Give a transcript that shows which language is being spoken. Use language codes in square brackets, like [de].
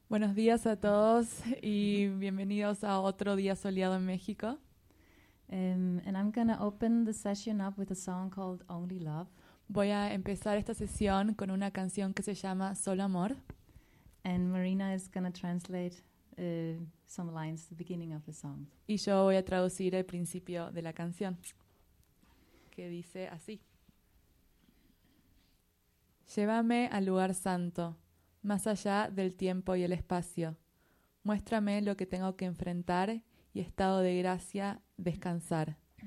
[es] Buenos días a todos y bienvenidos a otro día soleado en México. [en] And I'm going to open the session up with a song called Only Love. [es] Voy a empezar esta sesión con una canción que se llama Solo Amor. [en] And Marina is going to translate some lines at the beginning of the song. [es] Y yo voy a traducir el principio de la canción, que dice así. Llévame al lugar santo, más allá del tiempo y el espacio. Muéstrame lo que tengo que enfrentar y estado de gracia, descansar.